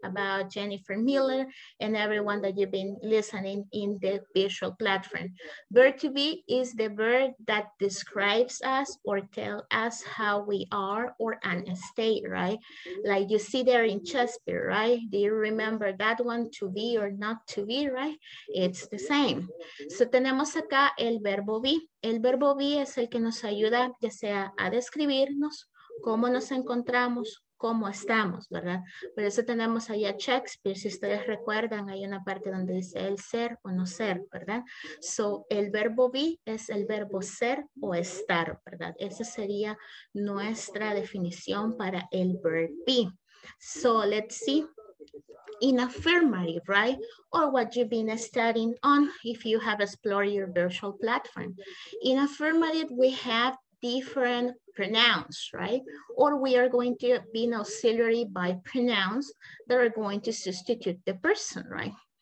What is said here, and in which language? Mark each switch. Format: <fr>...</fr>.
<en>About Jennifer Miller and everyone that you've been listening in the visual platform. Bird to be is the bird that describes us or tell us how we are or an state, right? Like you see there in Shakespeare, right? Do you remember that one, to be or not to be, right? It's the same. So tenemos acá el verbo be.</en> <es>El verbo be es el que nos ayuda ya sea a describirnos, cómo nos encontramos, cómo estamos, ¿verdad? Por eso tenemos allá Shakespeare, si ustedes recuerdan, hay una parte donde dice el ser o no ser, ¿verdad? So, el verbo be es el verbo ser o estar, ¿verdad? Esa sería nuestra definición para el verb be.</es> <en>So, let's see. In affirmative, right? Or what you've been studying on if you have explored your virtual platform. In affirmative, we have different pronouns, right? Or we are going to be an auxiliary by pronouns that are going to substitute the person, right?</en>